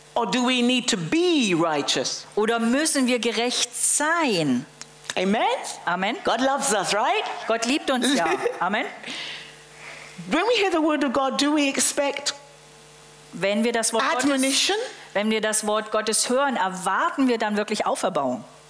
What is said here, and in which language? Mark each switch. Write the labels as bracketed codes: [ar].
[en] Or do we need to be righteous? [de] Oder müssen wir gerecht sein? Amen. Amen. [en] God loves us, right? [de] Gott liebt uns ja. Amen. [en] When we hear the word of God, do we expect admonition? [de] Wenn wir das Wort Gottes hören, erwarten wir dann wirklich Auferbauung?